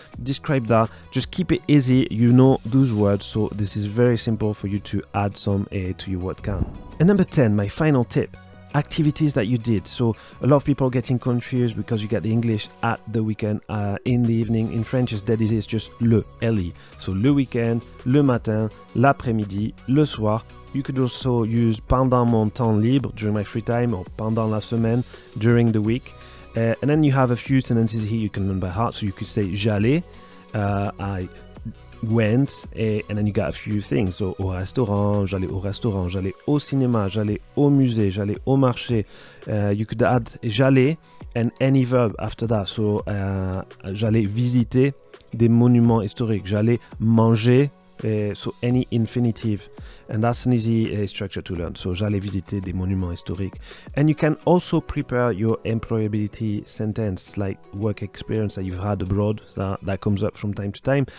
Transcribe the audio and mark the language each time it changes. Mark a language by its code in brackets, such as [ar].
[en] Describe that, just keep it easy, those words, so this is very simple for you to add some A to your word count. And number 10, my final tip. Activities that you did. So a lot of people are getting confused because you get the English at the weekend, in the evening. In French, it's dead easy. It's just le, L-E. [fr] So le weekend, le matin, l'après-midi, le soir. [en] You could also use [fr] pendant mon temps libre, [en] during my free time, or [fr] pendant la semaine, [en] during the week. And then you have a few sentences here you can learn by heart. So you could say j'allais, I went, and then you got a few things. [fr] So, au restaurant, j'allais au restaurant, j'allais au cinéma, j'allais au musée, j'allais au marché. [en] You could add j'allais and any verb after that. [fr] So, j'allais visiter des monuments historiques, j'allais manger, [en] so any infinitive. And that's an easy structure to learn. So, [fr] j'allais visiter des monuments historiques. [en] And you can also prepare your employability sentence, like work experience that you've had abroad, that comes up from time to time.